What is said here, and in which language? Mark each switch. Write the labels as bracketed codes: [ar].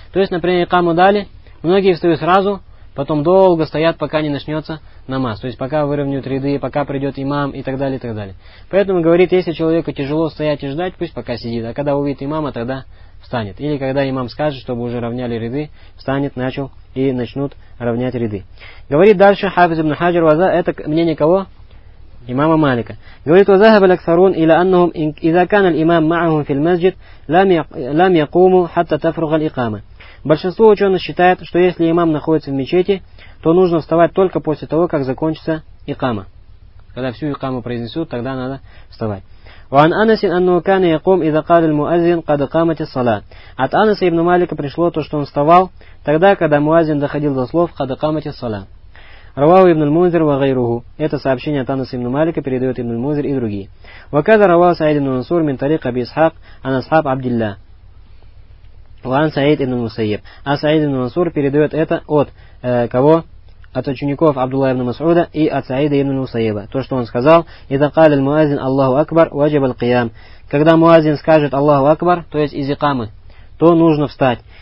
[ru] То есть, например, икаму дали, многие встают сразу, потом долго стоят, пока не начнется намаз. То есть, пока выровняют ряды, пока придет имам и так далее, и так далее. Поэтому, говорит, если человеку тяжело стоять и ждать, пусть пока сидит. А когда увидит имама, тогда встанет. Или когда имам скажет, чтобы уже равняли ряды, встанет, начал и начнут равнять ряды. Говорит дальше Хафиз ибн Хаджар, ваза, это мнение кого? Имама Малика. Говорит, [ar] وذهب الاكثرون الى انهم اذا كان الامام معهم في المسجد لم يقوموا حتى تفرغ الاقامه. [ru] Большинство ученых считает, что если имам находится в мечети, то нужно вставать только после того, как закончится икама. Когда всю икаму произнесут, тогда надо вставать. [ar] وعن أنس أنه كان يقوم إذا قال المؤذن قد قامت الصلاة. [ru] От Анаса ибн Малика пришло то, что он вставал тогда, когда муаззин доходил до слов [ar] قد قامت الصلاة. رواه ابن المنذر وغيره. [ru] Это сообщение от Анаса ибн Малика передает ابن المنذر и другие. [ar] وكذا رواه سعيد بن منصور من طريق أبي إسحاق عن أصحاب عبد الله. وعن سعيد بن المسيب. [ru] А سعيد بن منصور передает это от кого? От учеников Абдуллах ибн Масуда и от Саида ибн Мусаиба. То, что он сказал, [ar] «Иза кал аль-муазин Аллаху Акбар, ваджиб аль-киям». [ru] Когда муазин скажет «Аллаху Акбар», то есть из икамы, то нужно встать.